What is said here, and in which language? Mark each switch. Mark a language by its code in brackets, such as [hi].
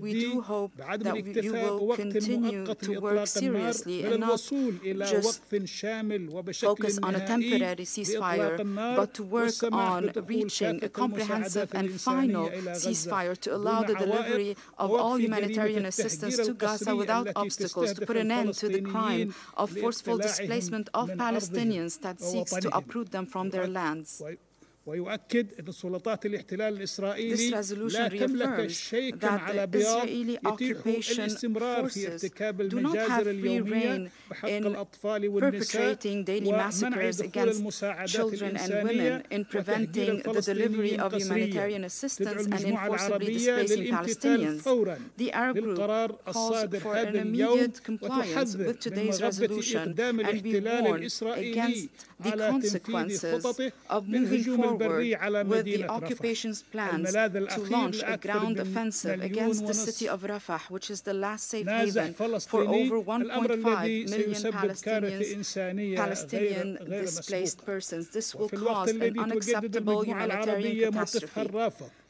[en] We do hope that you will continue to work seriously and not just focus on a temporary ceasefire, but to work on reaching a comprehensive and final ceasefire to allow the delivery of all humanitarian assistance to Gaza without obstacles, to put an end to the crime of forceful displacement of Palestinians that seeks to uproot them from their lands. [ar] ويؤكد أن السلطات الاحتلال الإسرائيلي لا تملك شيئاً على بياض يتيح الاستمرار في ارتكاب المجازر اليومية بحق الأطفال والنساء ومنع دخول المساعدات الإنسانية وتهجير الفلسطينيين قسرياً. تدعو المجموعة العربية للامتثال فوراً للقرار الصادر هذا اليوم وتحذر من مغبة إقدام الاحتلال الإسرائيلي على تنفيذ خططه بالهجوم [en] with the occupation's plans to launch a ground offensive against the city of Rafah, which is the last safe haven for over 1.5 million Palestinian displaced persons. This will cause an unacceptable humanitarian catastrophe.